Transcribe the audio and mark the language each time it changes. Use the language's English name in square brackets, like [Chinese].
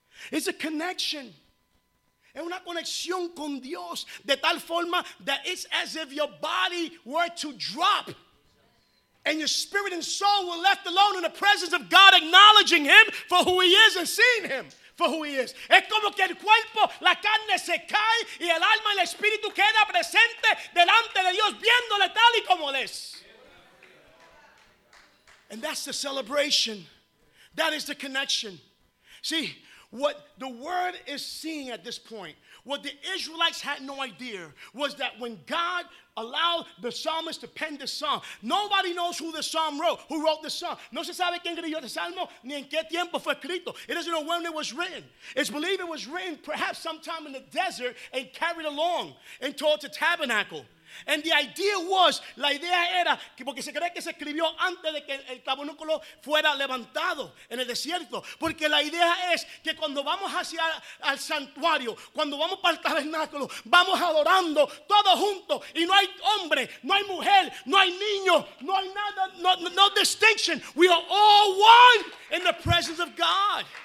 [English] It's a connection. [Spanish] Es una conexión con Dios de tal forma [English] that it's as if your body were to drop and your spirit and soul were left alone in the presence of God, acknowledging him for who he is and seeing him for who he is. [Spanish] Es como que el cuerpo, la carne se cae y el alma y el espíritu queda presente delante de Dios viéndole tal y como es. [English] And that's the celebration. That is the connection. See, what the word is seeing at this point, what the Israelites had no idea, was that when God allowed the psalmist to pen this psalm, nobody knows who the psalm wrote, who wrote the psalm. [Spanish] No se sabe quién escribió el salmo, ni en qué tiempo fue escrito. [English] It doesn't know when it was written. It's believed it was written perhaps sometime in the desert and carried along and towards the tabernacle. And the idea was, [Spanish] la idea era, porque se cree que se escribió antes de que el tabernáculo fuera levantado en el desierto. Porque la idea es que cuando vamos hacia al santuario, cuando vamos para el tabernáculo, vamos adorando todos juntos. Y no hay hombre, no hay mujer, no hay niño, no hay nada, [English] no distinction. We are all one in the presence of God.